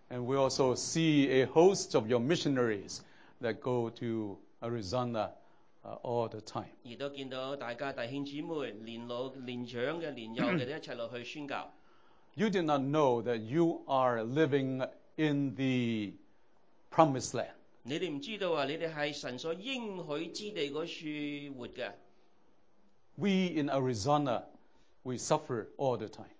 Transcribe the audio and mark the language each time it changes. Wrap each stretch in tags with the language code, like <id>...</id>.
<en>And we also see a host of your missionaries that go to Arizona all the time.</en> <zh>也都见到大家弟兄姊妹年老年长的年幼的一起去宣教。</zh> <en>You did not know that you are living in the promised land.</en> <zh>你们不知道你们是神所应许之地那处活的。</zh> <en>We in Arizona, we suffer all the time.</en>